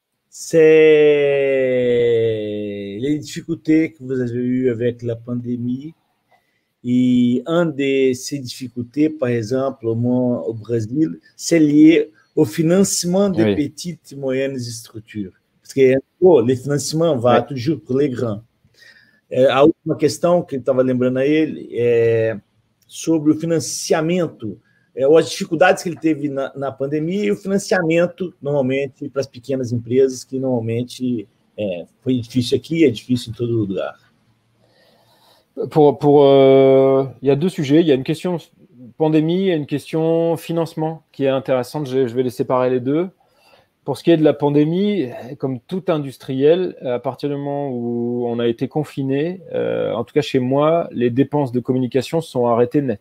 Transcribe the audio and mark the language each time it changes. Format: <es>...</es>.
<fr>C'est les difficultés que vous avez eues avec la pandémie. Et une de ces difficultés, par exemple, au Brésil, c'est lié au financement des oui. petites et moyennes structures. Parce que le financement va oui. toujours pour les grands.</fr> <pt>A última</pt> <fr>question</fr> <pt>que eu estava lembrando à ele é sobre o financiamento, ou as dificuldades que ele teve na pandemia e o financiamento, normalmente, para as pequenas empresas, que normalmente foi difícil aqui e é difícil em todo lugar.</pt> <fr>Il y a deux sujets. Il y a une question pandémie et une question financement qui est intéressante. Je vais les séparer les deux. Pour ce qui est de la pandémie, comme tout industriel, à partir du moment où on a été confiné, en tout cas chez moi, les dépenses de communication sont arrêtées net.</fr>